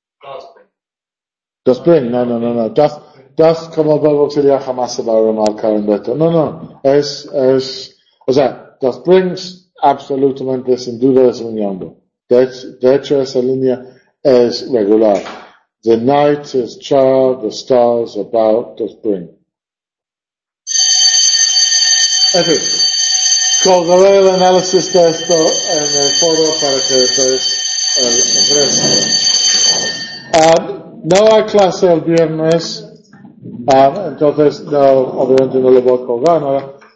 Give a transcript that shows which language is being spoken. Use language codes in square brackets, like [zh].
[en] Does spring. Does spring. No, no, no, no. [es] Does como verbo sería jamás se va a remarcar en esto. No, no. Es, o sea, does spring absolutamente sin duda es un yambo. De hecho, esa línea es regular. [en] The night is charred, the stars about to spring. [es] En fin, colgaré el análisis de esto en el foro para que veáis el resto. No hay clase el viernes, entonces no, obviamente no lo voy a colgar ahora.